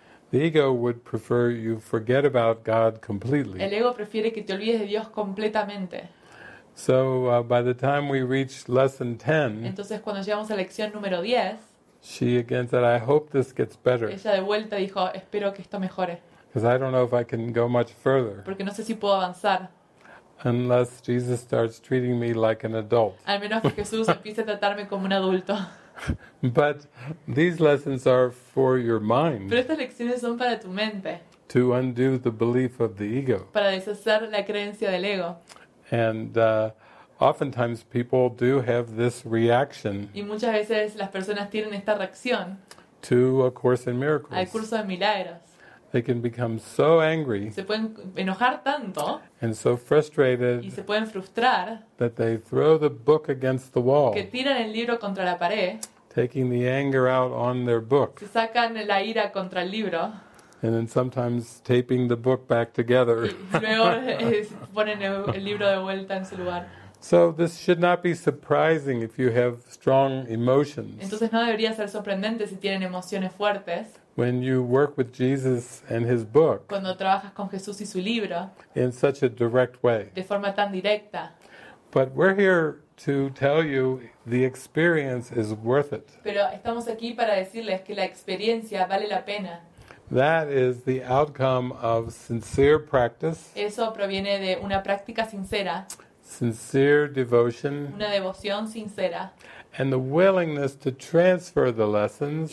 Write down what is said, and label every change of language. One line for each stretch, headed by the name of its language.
English: The ego would prefer you forget about God completely.
Spanish: El ego prefiere que te olvides de Dios completamente.
English: So by the time we reach lesson 10,
Spanish: entonces cuando llegamos a lección número 10,
English: she again said, "I hope this gets better."
Spanish: Ella de vuelta dijo, "Espero que esto mejore."
English: Because I don't know if I can go much further.
Spanish: Porque no sé si puedo avanzar.
English: Unless Jesus starts treating me like an adult.
Spanish: Al menos que Jesús empiece a tratarme como un adulto.
English: But these lessons are for your mind.
Spanish: Pero estas lecciones son para tu mente.
English: To undo the belief of the ego.
Spanish: Para deshacer la creencia del ego.
English: And oftentimes people do have this reaction.
Spanish: Y muchas veces las personas tienen esta reacción.
English: To A Course in Miracles.
Spanish: Al curso de milagros.
English: They can become so angry.
Spanish: Se pueden enojar tanto.
English: And so frustrated.
Spanish: Y se pueden frustrar.
English: That they throw the book against the wall.
Spanish: Que tiran el libro contra la pared.
English: Taking the anger out on their book.
Spanish: Se sacan la ira contra el libro.
English: And then sometimes taping the book back together.
Spanish: Ponen el libro de vuelta en su lugar.
English: So this should not be surprising if you have strong emotions.
Spanish: Entonces no debería ser sorprendente si tienen emociones fuertes.
English: When you work with Jesus and his book.
Spanish: Cuando trabajas con Jesús y su libro.
English: In such a direct way.
Spanish: De forma tan directa.
English: But we're here to tell you the experience is worth it.
Spanish: Pero estamos aquí para decirles que la experiencia vale la pena.
English: That is the outcome of sincere practice.
Spanish: Eso proviene de una práctica sincera.
English: Sincere devotion.
Spanish: Una devoción sincera.
English: And the willingness to transfer the lessons.